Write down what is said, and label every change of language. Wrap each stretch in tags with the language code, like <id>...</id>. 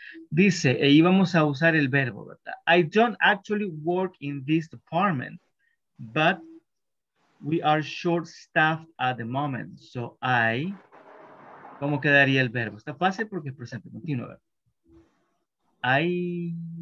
<es>Dice, e íbamos a usar el verbo, ¿verdad?</es> <en>I don't actually work in this department, but we are short-staffed at the moment, so I...</en> <es>¿Cómo quedaría el verbo? Está fácil porque es presente continuo. I...</es>